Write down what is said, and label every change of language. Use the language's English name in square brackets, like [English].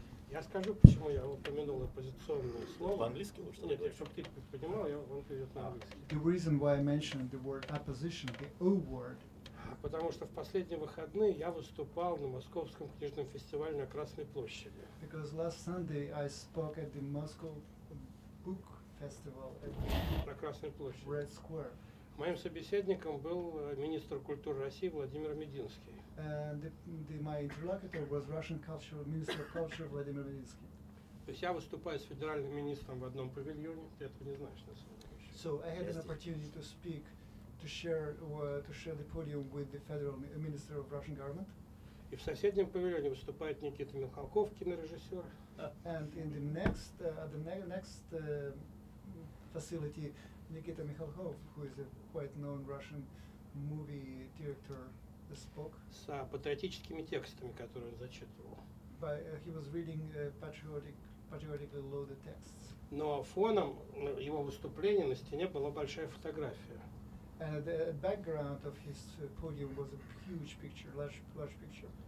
[Russian] Я скажу, почему я упомянул оппозиционное слово. По-английски лучше? Нет, чтобы ты понимал, я вам перейду на английский. [English] The reason why I mentioned the word opposition, the O word. [Russian] Потому что в последние выходные я выступал на Московском книжном фестивале на Красной площади. [English] Because last Sunday I spoke at the Moscow Book Festival at [Russian] на Красной площади. [English] Red Square. [Russian] Моим собеседником был министр культуры России Владимир Мединский. [English] My interlocutor was Russian cultural minister of culture Владимир Мединский. [Russian] То есть я выступаю с федеральным министром в одном павильоне, ты этого не знаешь, на самом деле. [English] So I had an opportunity to speak to share the podium with the federal minister of Russian government. [Russian] И в соседнем павильоне выступает Никита Михалков, кинорежиссер. [English] And in the next facility Никита Михалков, who is a quite known Russian movie director, spoke. [Russian] С патриотическими текстами, которые он зачитывал. [English] By, he was reading patriotically loaded texts. [Russian] Но фоном его выступления на стене была большая фотография. [English] And the background of his podium was a huge picture, large picture.